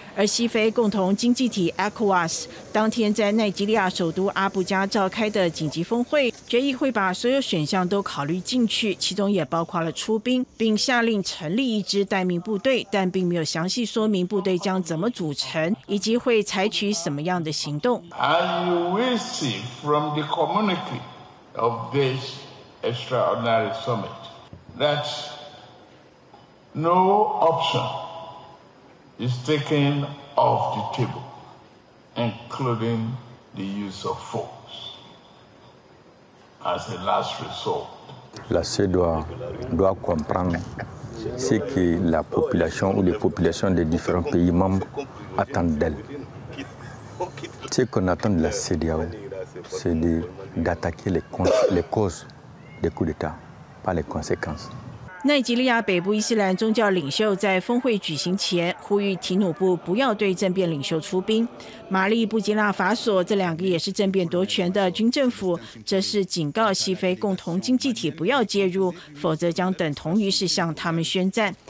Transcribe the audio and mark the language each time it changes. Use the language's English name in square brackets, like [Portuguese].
[Chinese] 而西非共同经济体 ECOWAS 当天在奈及利亚首都阿布加召开的紧急峰会，决议会把所有选项都考虑进去，其中也包括了出兵，并下令成立一支待命部队，但并没有详细说明部队将怎么组成，以及会采取什么样的行动。 [English] As you will see from the communique of this extraordinary summit, that no option is taken off the table. Including the use of force as a last resort. [French] La CE doit comprendre ce que la population ou les populations des différents pays membres attendent d'elle. Ce qu'on attend de la CEDEAO, c'est d'attaquer les causes des coups d'État, pas les conséquences. [Chinese] 奈及利亚北部伊斯兰宗教领袖在峰会举行前呼吁提努部不要对政变领袖出兵，马利、布基纳法索这两个也是政变夺权的军政府则是警告西非共同经济体不要介入，否则将等同于是向他们宣战。